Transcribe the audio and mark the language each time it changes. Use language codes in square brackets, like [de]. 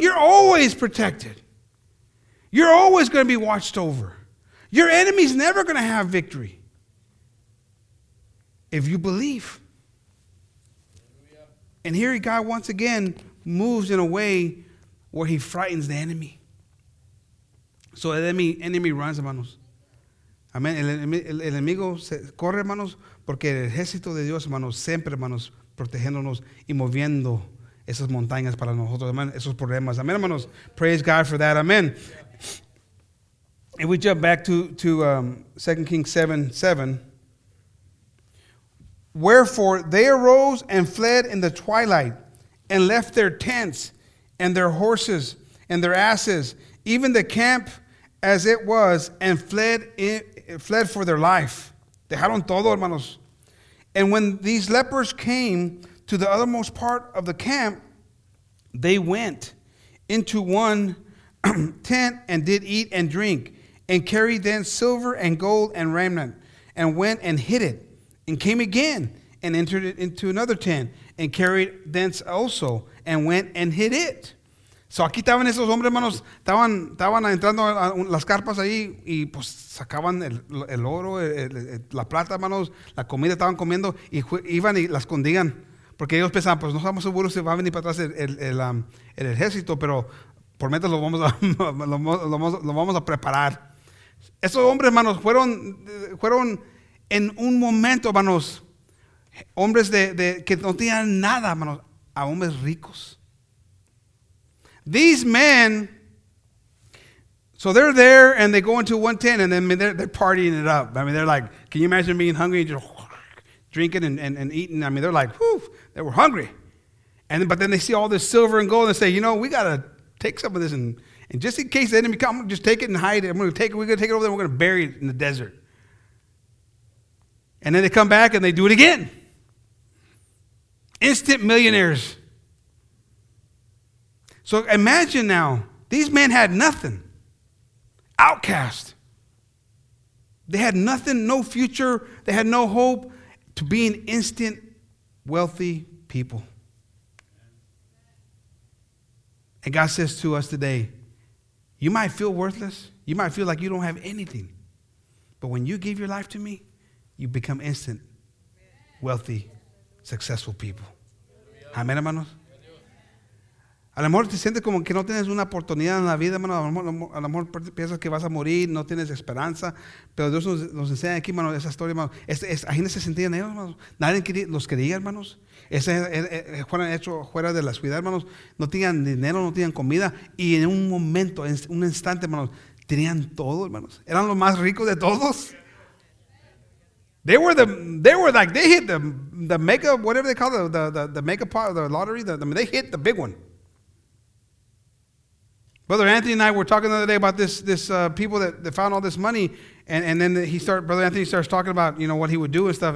[en] You're always protected. You're always going to be watched over. Your enemy's never going to have victory if you believe. And here God once again moves in a way where he frightens the enemy. So the enemy runs, hermanos. Amen. [es] El enemigo se corre, hermanos, porque el ejército de Dios, hermanos, siempre, hermanos, protegiéndonos y moviendo esas montañas para nosotros, amen, esos problemas. [en] Amen, hermanos. Praise God for that. Amen. Yeah. If we jump back to 2 Kings 7:7. Wherefore they arose and fled in the twilight and left their tents and their horses and their asses, even the camp as it was, and fled for their life. [es] Dejaron todo, hermanos. [en] And when these lepers came to the othermost part of the camp, they went into one tent and did eat and drink and carried then silver and gold and remnant and went and hid it and came again and entered it into another tent and carried thence also and went and hid it. [es] So aquí estaban esos hombres, hermanos, estaban entrando a las carpas ahí y pues sacaban el oro, la plata, hermanos, la comida estaban comiendo y iban y la escondían. Porque ellos pensaban, pues no estamos seguros si va a venir para atrás el ejército, pero por mientras lo vamos a preparar. Esos hombres, hermanos, fueron en un momento, hermanos, hombres de que no tenían nada, hermanos, a hombres ricos. [en] These men, so they're there and they go into one tent and then they're partying it up. I mean, they're like, can you imagine being hungry and just drinking and eating? I mean, they're like, whew, they were hungry. And but then they see all this silver and gold and say, you know, we got to take some of this. And just in case the enemy comes, I'm gonna just take it and hide it. We're going to take it over there. We're going to bury it in the desert. And then they come back and they do it again. Instant millionaires. So imagine now, these men had nothing. Outcast. They had nothing, no future. They had no hope to being instant wealthy people. And God says to us today, you might feel worthless. You might feel like you don't have anything. But when you give your life to me, you become instant wealthy, successful people. [es] Amén, hermanos. A lo mejor te sientes como que no tienes una oportunidad en la vida, hermano. A lo mejor piensas que vas a morir, no tienes esperanza. Pero Dios nos enseña aquí, hermano, esa historia, hermano. Ahí no se sentían ellos, hermano. Nadie los quería, hermanos. Fueron hechos fuera de la ciudad, hermanos. No tenían dinero, no tenían comida. Y en un momento, en un instante, hermanos, tenían todo, hermanos. Eran los más ricos de todos. [en] They hit the mega, whatever they call it, the mega part of the lottery. They hit the big one. Brother Anthony and I were talking the other day about this people that found all this money, and then Brother Anthony starts talking about, you know, what he would do and stuff.